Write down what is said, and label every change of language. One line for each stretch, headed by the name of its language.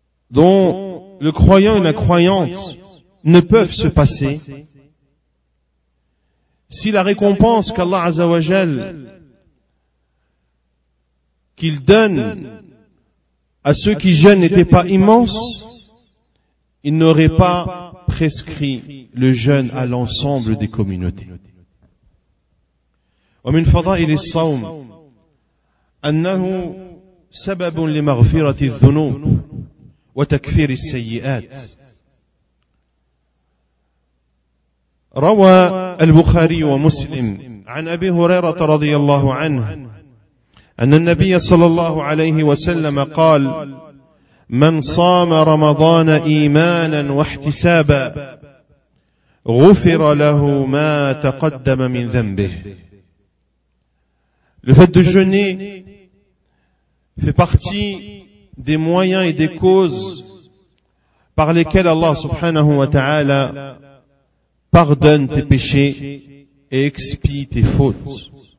French: dont le croyant et la croyante ne peuvent se passer, si la récompense qu'Allah Azza wa Jal qu'il donne à ceux qui jeûnent n'était pas immense, ils n'auraient pas prescrit le jeûne à l'ensemble des communautés.
Arabic: ومن فضائل الصوم أنه سبب لمغفرة الذنوب وتكفير السيئات. روى البخاري ومسلم عن أبي هريرة رضي الله عنه أن النبي صلى الله عليه وسلم قال: من صام رمضان إيمانا واحتسابا غفر له ما تقدم من ذنبه.
French: Le fait de jeûner fait partie des moyens et des causes par lesquelles Allah subhanahu wa ta'ala pardonne tes péchés et expie tes fautes.